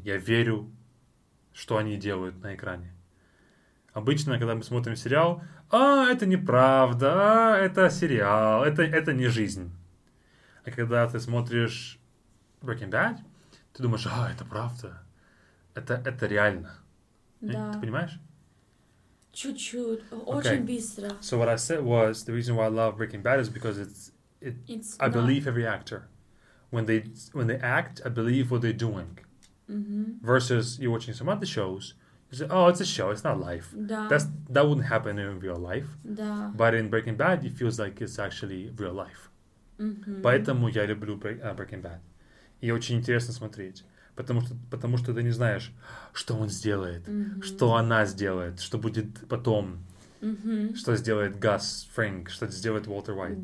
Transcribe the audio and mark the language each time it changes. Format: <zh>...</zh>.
<ru>Я верю, что они делают на экране. Обычно, когда мы смотрим сериал, это неправда, это сериал, это не жизнь. А когда ты смотришь Breaking Bad, ты думаешь, это правда, это реально. Да. Ты понимаешь? Чуть-чуть, очень быстро.</ru> <en>So what I said was, the reason why I love Breaking Bad is because it's I believe every actor. When they act, I believe what they're doing. Mm-hmm. Versus you're watching some other shows, you say, it's a show, it's not life.</en> <ru>Да.</ru> <en>That wouldn't happen in real life.</en> <ru>Да.</ru> <en>But in Breaking Bad, it feels like it's actually real life. Mm-hmm.</en> <ru>Поэтому я люблю Breaking Bad. И очень интересно смотреть. Потому что ты не знаешь, что он сделает, mm-hmm. что она сделает, что будет потом, mm-hmm. что сделает Гас Фрэнк, что сделает Уолтер Уайт.</ru>